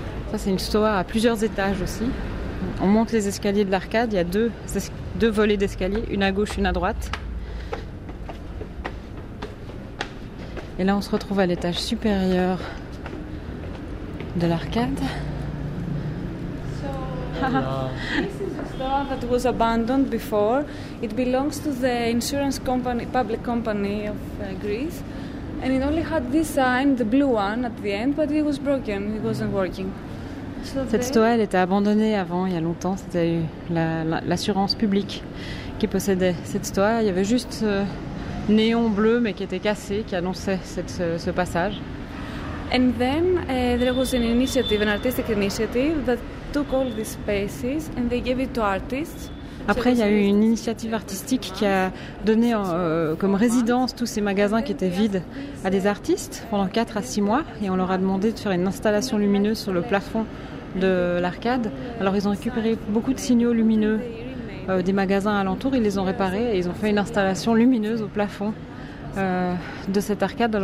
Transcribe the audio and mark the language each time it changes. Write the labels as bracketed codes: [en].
[fr] Ça, c'est une Soa à plusieurs étages aussi. On monte les escaliers de l'arcade. Il y a deux volets d'escaliers, une à gauche, une à droite. Et là, on se retrouve à l'étage supérieur de l'arcade. [en] So, this is a store that was abandoned before. It belongs to the insurance company, public company of Greece, and it only had this sign, the blue one, at the end, but it was broken. It wasn't working. [fr] Cette Soa, elle était abandonnée avant, il y a longtemps. C'était l'assurance publique qui possédait cette Soa. Il y avait juste néon bleu, mais qui était cassé, qui annonçait ce passage. [en] And then there was an initiative, an artistic initiative, that took all these spaces and they gave it to artists. [fr] Après, il y a eu une initiative artistique qui a donné comme résidence tous ces magasins qui étaient vides à des artistes pendant 4 à 6 mois et on leur a demandé de faire une installation lumineuse sur le plafond de l'arcade. Alors ils ont récupéré beaucoup de signaux lumineux des magasins alentours, ils les ont réparés et ils ont fait une installation lumineuse au plafond de cette arcade.